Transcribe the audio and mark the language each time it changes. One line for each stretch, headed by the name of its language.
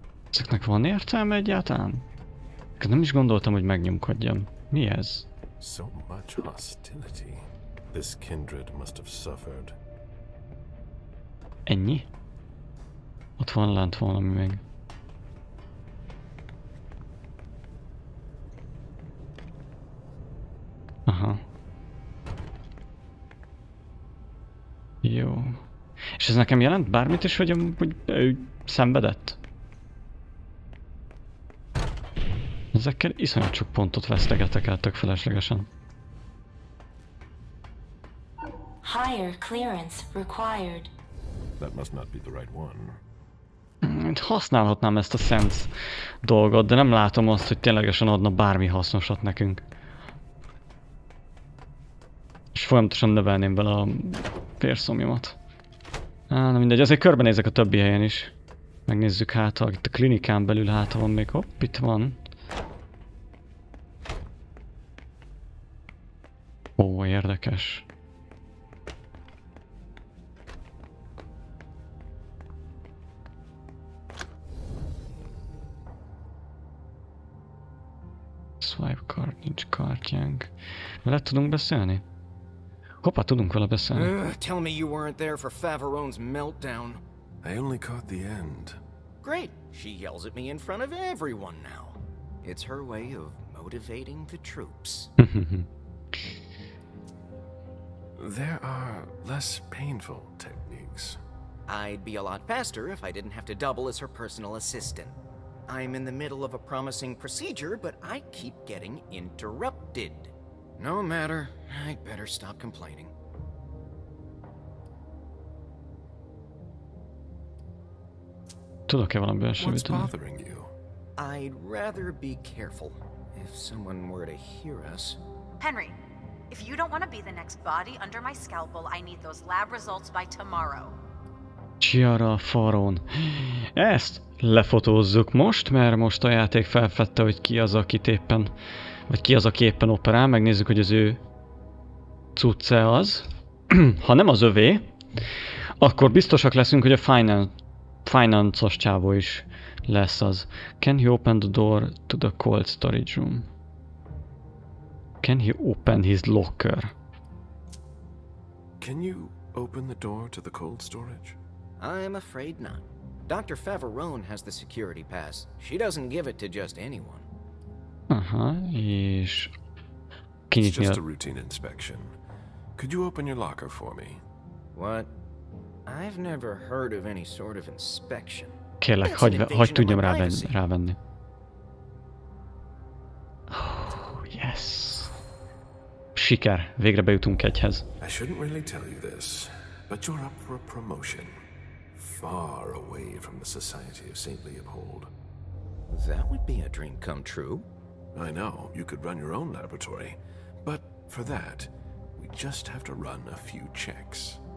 Hungarian: Ezeknek van értelme egyáltalán? Nem is gondoltam, hogy megnyomkodjam. Mi ez?
English: So much hostility. This kindred must have suffered.
Hungarian: Ennyi? Ott van lent valami még. Aha. Jó. És ez nekem jelent bármit is, hogy ő szenvedett? Ezekkel iszonyat sok pontot vesztegetek el tök feleslegesen.
English: Higher clearance required. That must not be the right one.
Hungarian: Használhatnám ezt a sense dolgot, de nem látom azt, hogy ténylegesen adna bármi hasznosat nekünk. És folyamatosan növelném vele a vérszomjamat. Na mindegy, azért körbenézek a többi helyen is. Megnézzük hát, itt a klinikán belül hát van még, hopp, itt van. Ó, érdekes.
English: Swipe card,
Hungarian: nincs kártyánk. Vele tudunk beszélni? Hoppá, tudunk vele beszélni.
English: Tell me you weren't there for Favarone's meltdown. I only caught the end. Great, she yells at me in front of everyone now. It's her way of motivating the troops. There are less painful techniques. I'd be a lot faster if I didn't have to double as her personal assistant. I'm in the middle of a promising procedure, but I keep getting interrupted. No matter, I'd better stop complaining. What's bothering you? I'd rather be careful. If someone were to hear us... Henry, if you don't want to be the next body under my scalpel, I need those lab results by tomorrow. Chiara Faron.
Hungarian: Ezt lefotózzuk most, mert most a játék felfedte, hogy ki az, akit éppen, vagy ki az, aki éppen operál. Megnézzük, hogy az ő cucce az. Ha nem az övé, akkor biztosak leszünk, hogy a finance-os csávó is lesz az.
English: Can he open the door to the cold storage room? Can he open his locker? Can you open the door to the cold storage? I'm afraid not. Dr. Favarone has the security pass. She doesn't give it to just anyone.
Hungarian: Aha, és...
English: It's just a routine inspection. Could you open your locker for me? What? I've never heard of any sort of inspection.
Hungarian: Kérlek, hagyd tudjam rávenni.
English: Oh, yes.
Hungarian: Siker, végre bejutunk egyhez.
English: I shouldn't really tell you this, but you're up for a promotion. Far away from the Society of Saint Leopold. That would be a dream come true. I know, you could run your own laboratory. But for that, we just have to run a few checks.